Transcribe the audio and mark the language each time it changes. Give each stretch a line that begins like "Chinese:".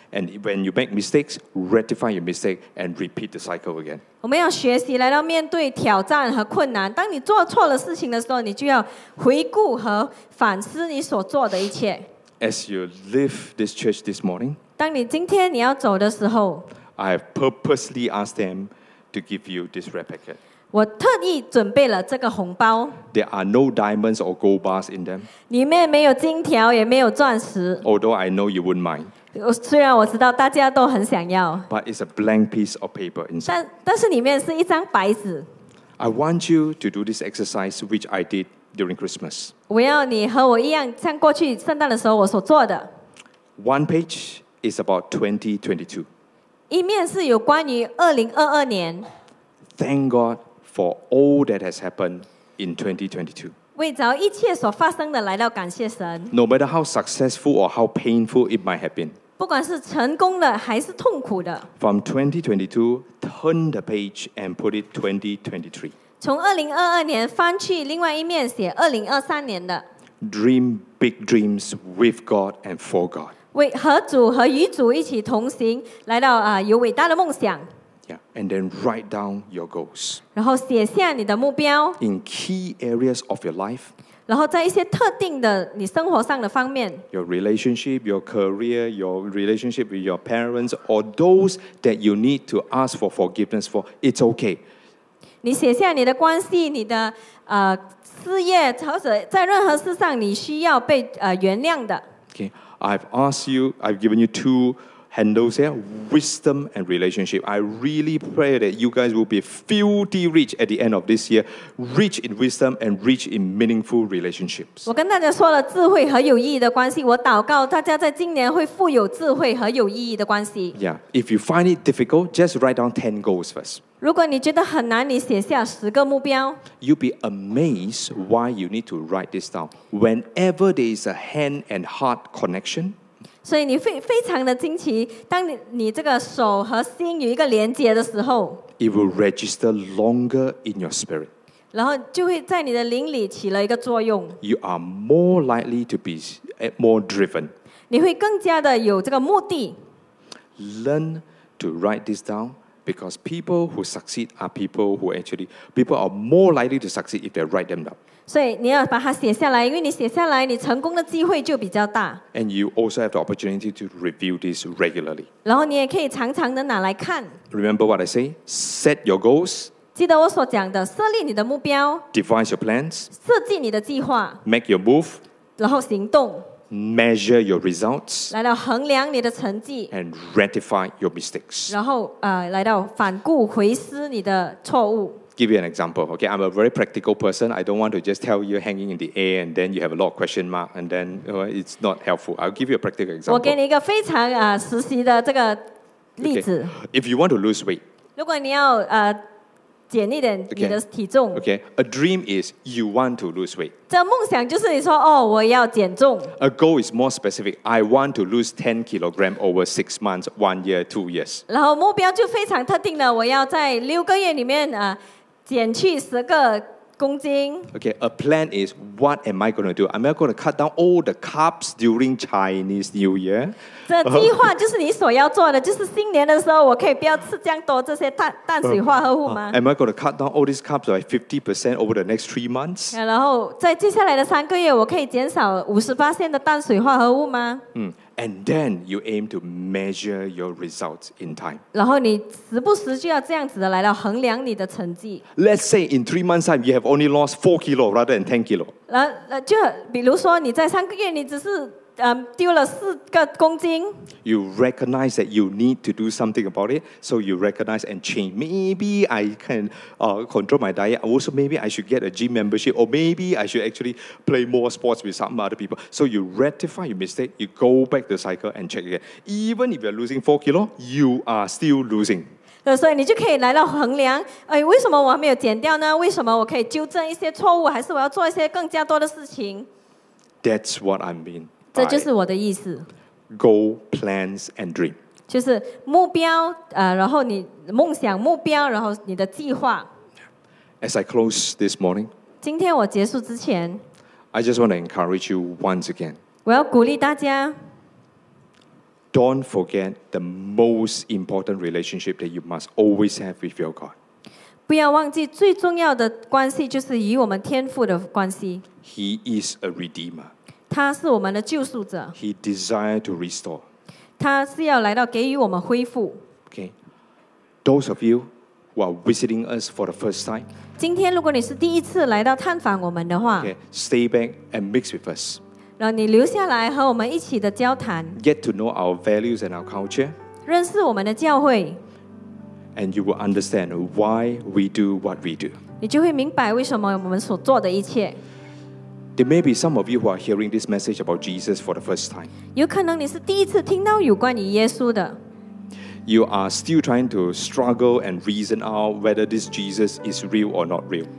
English: And when you make mistakes, rectify your mistake and repeat the cycle again.
Chinese: 我们要学习来到面对挑战和困难。当你做错了事情的时候，你就要回顾和反思你所做的一切。
English: As you leave this church this morning,
Chinese: 当你今天你要走的时候，
English: I have purposely asked them to give you this red packet.
Chinese: 我特意准备了这个红包。
English: There are no diamonds or gold bars in them.
Chinese: 里面没有金条，也没有钻石。
English: Although I know you wouldn't mind.
Chinese: 虽然我知道大家都很想要。
English: But it's a blank piece of paper inside.
Chinese: 但是里面是一张白纸。
English: I want you to do this exercise which I did during Christmas.
Chinese: 我要你和我一样，像过去圣诞的时候我所做的。
English: One page is about 2022.
Chinese: 一面是有关于2022年。
English: Thank God. For all that has happened in 2022.
Chinese: 为着一切所发生的来到感谢神。
English: No matter how successful or how painful it might have been.
Chinese: 不管是成功的还是痛苦的。
English: From 2022, turn the page and put it 2023.
Chinese: 从2022年翻去另外一面写2023年的。
English: Dream big dreams with God and for God.
Chinese: 为和主和与主一起同行来到有伟大的梦想。
English: Yeah, and then write down your goals.
Chinese: 然后写下你的目标。
English: In key areas of your life.
Chinese: 然后在一些特定的你生活上的方面。
English: Your relationship, your career, your relationship with your parents, or those that you need to ask for forgiveness for, it's okay.
Chinese: 你写下你的关系，你的事业，或者在任何事上你需要被原谅的。
English: Okay, I've asked you, I've given you two handles here, wisdom and relationship. I really pray that you guys will be filthy rich at the end of this year, rich in wisdom and rich in meaningful relationships.
Chinese: 我跟大家说了智慧和有意义的关系，我祷告大家在今年会富有智慧和有意义的关系。
English: Yeah, if you find it difficult, just write down 10 goals first.
Chinese: 如果你觉得很难，你写下十个目标。
English: You'll be amazed why you need to write this down. Whenever there is a hand and heart connection,
Chinese: 所以你非常的惊奇，当你这个手和心有一个连接的时候
English: ，It will register longer in your spirit.
Chinese: 然后就会在你的灵里起了一个作用。
English: You are more likely to be more driven.
Chinese: 你会更加的有这个目的。
English: Learn to write this down because people who succeed are people who actually people are more likely to succeed if they write them down.
Chinese: 所以你要把它写下来，因为你写下来，你成功的机会就比较大。
English: And you also have the opportunity to review this regularly.
Chinese: 然后你也可以常常的拿来看。
English: Remember what I say, set your goals.
Chinese: 记得我所讲的，设立你的目标。
English: Devise your plans.
Chinese: 设计你的计划。
English: Make your move.
Chinese: 然后行动。
English: Measure your results.
Chinese: 来到衡量你的成绩。
English: And rectify your mistakes.
Chinese: 然后来到反顾回思你的错误。
English: Give you an example. Okay, I'm a very practical person. I don't want to just tell you hanging in the air and then you have a lot of question mark and then it's not helpful. I'll give you a practical example.
Chinese: 我给你一个非常实习的这个例子。
English: Okay. If you want to lose weight,
Chinese: 如果你要减一点你的体重。
English: Okay, a dream is you want to lose weight.
Chinese: 这梦想就是你说哦，我要减重。
English: A goal is more specific. I want to lose 10 kilograms over 6 months, 1 year, 2 years.
Chinese: 然后目标就非常特定了，我要在六个月里面减去十个公斤。
English: Okay, a plan is what am I going to do? Am I going to cut down all the carbs during Chinese New Year?
Chinese: 这计划就是你所要做的，就是新年的时候，我可以不要吃这样多这些碳水化合物吗？
English: Am I going to cut down all these carbs by 50% over the next 3 months?
Chinese: 然后在接下来的三个月，我可以减少50%的碳水化合物吗？
English: And then you aim to measure your results in time.
Chinese: 然后你时不时就要这样子的来到衡量你的成绩。
English: Let's say in 3 months time you have only lost 4 kilo rather than 10 kilo.
Chinese: 就比如说你在三个月你只是丢了四个公斤。
English: You recognize that you need to do something about it, so you recognize and change. Maybe I can control my diet. Also, maybe I should get a gym membership, or maybe I should actually play more sports with some other people. So you rectify your mistake, you go back to the cycle and check again. Even if you're losing 4 kilo, you are still losing.
Chinese: 所以你就可以来到衡量，为什么我还没有减掉呢？为什么我可以纠正一些错误？还是我要做一些更加多的事情
English: ？That's what I mean.
Chinese: 这就是我的意思。
English: Goal, plans, and dream.
Chinese: 就是目标，然后你梦想目标，然后你的计划。
English: As I close this morning,
Chinese: 今天我结束之前
English: ，I just want to encourage you once again.
Chinese: 我要鼓励大家。
English: Don't forget the most important relationship that you must always have with your God.
Chinese: 不要忘记最重要的关系就是与我们天父的关系。
English: He is a redeemer.
Chinese: 他是我们的救赎者。
English: He desired to restore.
Chinese: 他是要来到给予我们恢复。
English: Okay, those of you who are visiting us for the first time,
Chinese: 今天如果你是第一次来到探访我们的话
English: okay, stay back and mix with us.
Chinese: 让你留下来和我们一起的交谈。
English: Get to know our values and our culture.
Chinese: 认识我们的教会。
English: And you will understand why we do what we do.
Chinese: 你就会明白为什么我们所做的一切。
English: There may be some of you who are hearing this message about Jesus for the first time.
Chinese: 有可能你是第一次听到有关于耶稣的。
English: You are still trying to struggle and reason out whether this Jesus is real or not real.